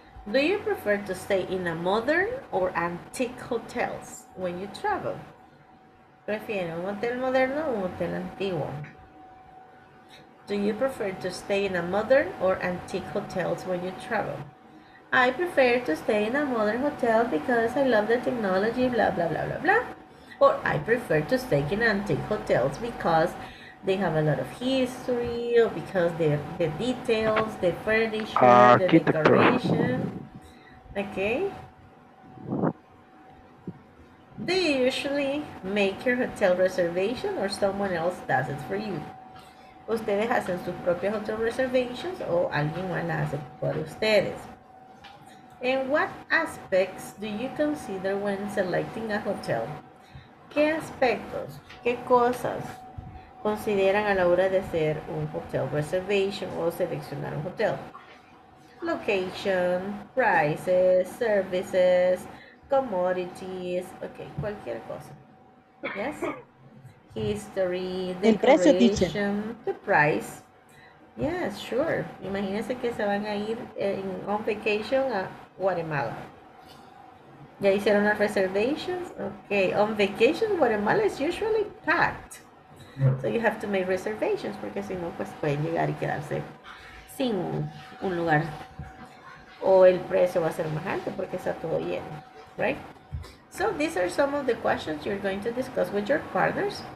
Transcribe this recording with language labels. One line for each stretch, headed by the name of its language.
English: Do you prefer to stay in a modern or antique hotels when you travel?
Spanish: ¿Prefiere un hotel moderno o un hotel antiguo?
English: Do you prefer to stay in a modern or antique hotels when you travel? I prefer to stay in a modern hotel because I love the technology, blah, blah, blah, blah, blah. Or I prefer to stay in antique hotels because they have a lot of history, or because the details, the furniture, the decoration. Okay. They usually make your hotel reservation or someone else does it for you.
Spanish: ustedes hacen sus propios auto reservations o alguien van a hacer por ustedes. ¿En
English: what aspects do you consider when selecting a hotel?
Spanish: ¿Qué aspectos, qué cosas consideran a la hora de hacer un
English: hotel reservation
Spanish: o seleccionar un hotel?
English: Location, prices, services, commodities, okay,
Spanish: cualquier cosa.
English: Yes? History, decoration, the price. Yes, sure.
Spanish: Imagínense que se van a ir en,
English: on vacation
Spanish: a Guatemala. ¿Ya hicieron las reservations?
English: Okay, on vacation Guatemala is usually packed. So you have to make reservations
Spanish: porque si no, pues pueden llegar y quedarse sin un lugar. O el precio va a ser más alto porque está todo lleno, right?
English: So these are some of the questions you're going to discuss with your partners.